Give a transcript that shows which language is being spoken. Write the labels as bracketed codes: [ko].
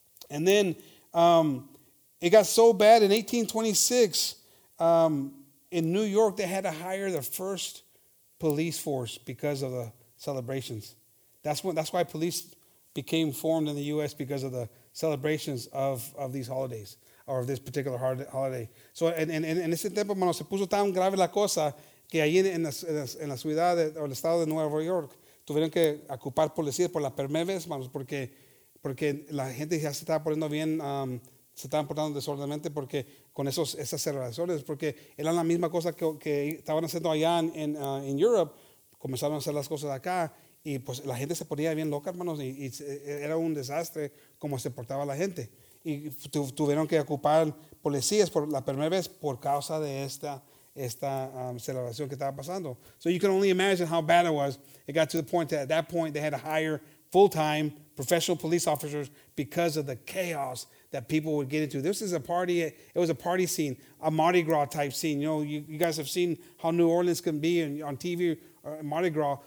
[en] And then it got so bad in 1826, in New York, they had to hire the first police force because of the celebrations. That's why police became formed in the U.S. because of the celebrations of these holidays, or of this particular holiday. [es] So en ese tiempo, hermano, se puso tan grave la cosa que allí en la ciudad o el estado de Nueva York tuvieron que ocupar policías por la primera vez, hermanos, porque la gente ya se estaba poniendo bien, se estaban portando desordenadamente porque con esas celebraciones, porque eran la misma cosa que estaban haciendo allá en Europe, comenzaron a hacer las cosas acá, y pues la gente se ponía bien loca, hermanos, y era un desastre cómo se portaba la gente. Y tuvieron que ocupar policías por la primera vez por causa de esta celebración que estaba pasando. [en] So you can only imagine how bad it was. It got to the point that at that point they had to hire full-time professional police officers because of the chaos that people would get into. This is a party. It was a party scene, a Mardi Gras type scene. You know, you guys have seen how New Orleans can be on TV or Mardi Gras.